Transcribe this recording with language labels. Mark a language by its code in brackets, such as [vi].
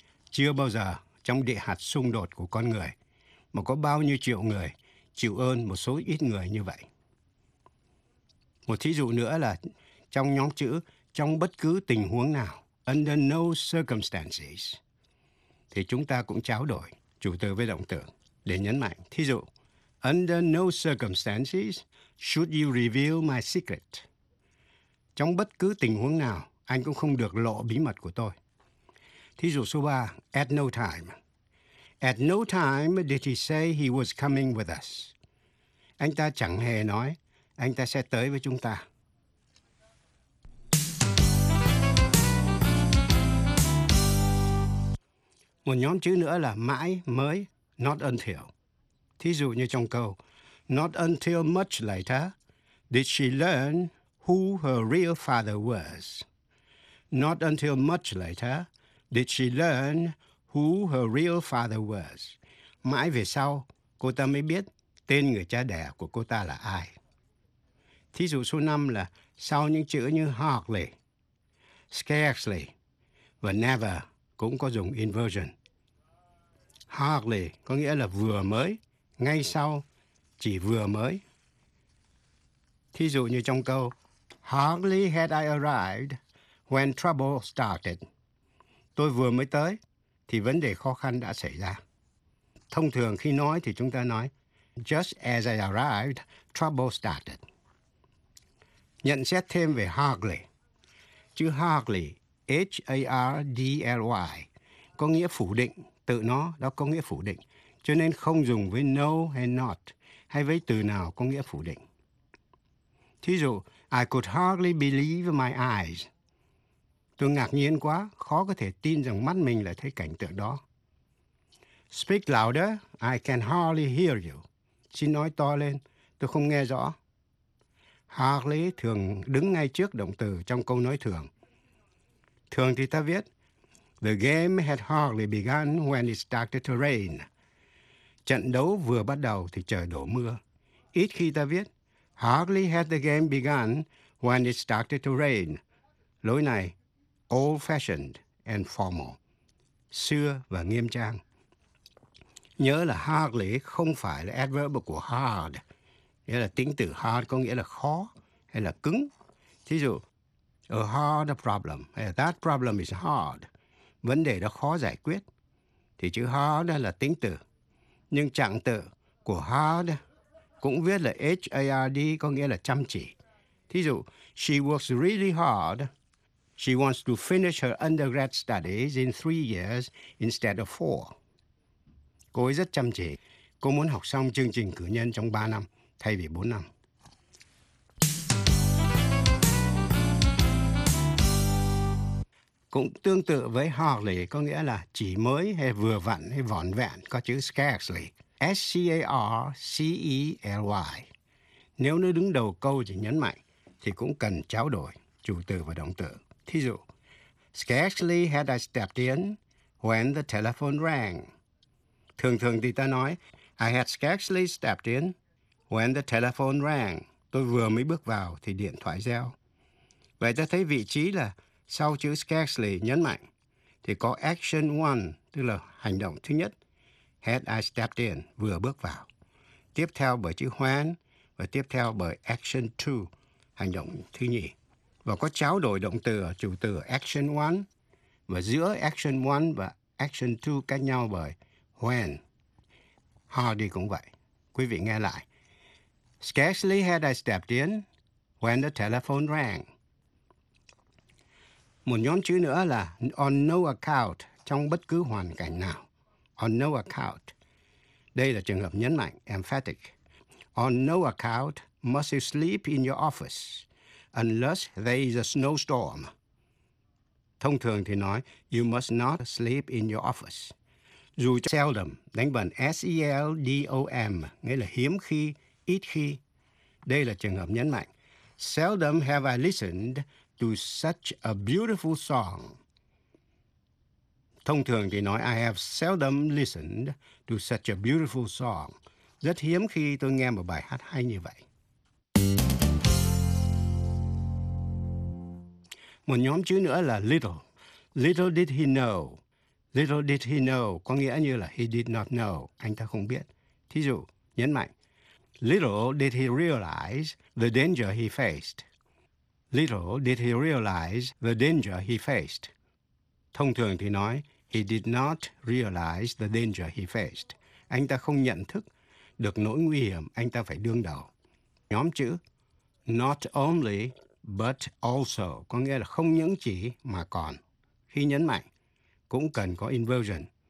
[vi] Chưa bao giờ trong địa hạt xung đột của con người mà có bao nhiêu triệu người chịu ơn một số ít người như vậy. Một thí dụ nữa là trong nhóm chữ trong bất cứ tình huống nào, [en] under no circumstances, [vi] thì chúng ta cũng trao đổi chủ từ với động từ để nhấn mạnh. Thí dụ, [en] under no circumstances should you reveal my secret. [vi] Trong bất cứ tình huống nào, anh cũng không được lộ bí mật của tôi. Thí dụ số 3, [en] at no time. At no time did he say he was coming with us. [vi] Anh ta chẳng hề nói anh ta sẽ tới với chúng ta. Một nhóm chữ nữa là mãi, mới, not until. Thí dụ như trong câu, [en] not until much later did she learn who her real father was. Not until much later did she learn who her real father was. [vi] Mãi về sau, cô ta mới biết tên người cha đẻ của cô ta là ai. Thí dụ số 5 là sau những chữ như hardly, scarcely và never cũng có dùng inversion. Hardly có nghĩa là vừa mới, ngay sau, chỉ vừa mới. Thí dụ như trong câu [en] hardly had I arrived when trouble started. [vi] Tôi vừa mới tới thì vấn đề khó khăn đã xảy ra. Thông thường khi nói thì chúng ta nói [en] just as I arrived, trouble started. [vi] Nhận xét thêm về hardly. Chữ hardly, H-A-R-D-L-Y, có nghĩa phủ định, tự nó đó có nghĩa phủ định, cho nên không dùng với no hay not, hay với từ nào có nghĩa phủ định. [en] Thí dụ, I could hardly believe my eyes. [vi] Tôi ngạc nhiên quá, khó có thể tin rằng mắt mình lại thấy cảnh tượng đó. [en] Speak louder, I can hardly hear you. [vi] Xin nói to lên, tôi không nghe rõ. Hardly thường đứng ngay trước động từ trong câu nói thường. Thường thì ta viết, [en] the game had hardly begun when it started to rain. [vi] Trận đấu vừa bắt đầu thì trời đổ mưa. Ít khi ta viết, [en] hardly had the game begun when it started to rain. [vi] Lối này, [en] old-fashioned and formal. [vi] Xưa và nghiêm trang. Nhớ là hardly không phải là adverb của hard. Nghĩa là tính từ hard có nghĩa là khó hay là cứng. Thí dụ, [en] a hard problem, that problem is hard. [vi] Vấn đề đó khó giải quyết. Thì chữ hard là tính từ. Nhưng trạng từ của hard cũng viết là H-A-R-D có nghĩa là chăm chỉ. Thí dụ, [en] she works really hard. She wants to finish her undergrad studies in 3 years instead of 4. [vi] Cô ấy rất chăm chỉ. Cô muốn học xong chương trình cử nhân trong 3 năm thay vì 4 năm. Cũng tương tự với hardly có nghĩa là chỉ mới hay vừa vặn hay vỏn vẹn có chữ scarcely. S-C-A-R-C-E-L-Y. Nếu nó đứng đầu câu chỉ nhấn mạnh thì cũng cần trao đổi chủ từ và động từ. [en] Thí dụ, scarcely had I stepped in when the telephone rang. [vi] Thường thường thì ta nói, [en] I had scarcely stepped in when the telephone rang. [vi] Tôi vừa mới bước vào thì điện thoại reo. Vậy ta thấy vị trí là sau chữ scarcely nhấn mạnh thì có [en] action one, [vi] tức là hành động thứ nhất. [en] Had I stepped in, [vi] vừa bước vào. Tiếp theo bởi chữ when và tiếp theo bởi [en] action two, [vi] hành động thứ nhì. Và có trao đổi động từ ở chủ từ action 1 và giữa action 1 và action 2 cách nhau bởi when. Hardly cũng vậy. Quý vị nghe lại. [en] Scarcely had I stepped in when the telephone rang. [vi] Một nhóm chữ nữa là [en] on no account, [vi] trong bất cứ hoàn cảnh nào. [en] On no account. [vi] Đây là trường hợp nhấn mạnh, [en] emphatic. On no account must you sleep in your office. unless there is a snowstorm. [vi] Thông thường thì nói, [en] you must not sleep in your office. [vi] Dù seldom, đánh vần S-E-L-D-O-M, nghĩa là hiếm khi, ít khi. Đây là trường hợp nhấn mạnh. [en] Seldom have I listened to such a beautiful song. [vi] Thông thường thì nói, [en] I have seldom listened to such a beautiful song. [vi] Rất hiếm khi tôi nghe một bài hát hay như vậy. Một nhóm chữ nữa là little. [en] Little did he know. Little did he know [vi] có nghĩa như là [en] he did not know. [vi] Anh ta không biết. Thí dụ, nhấn mạnh. [en] Little did he realize the danger he faced. Little did he realize the danger he faced. [vi] Thông thường thì nói, [en] he did not realize the danger he faced. [vi] Anh ta không nhận thức được nỗi nguy hiểm anh ta phải đương đầu. Nhóm chữ not only but also có nghĩa là không những chỉ mà còn. Khi nhấn mạnh, cũng cần có inversion.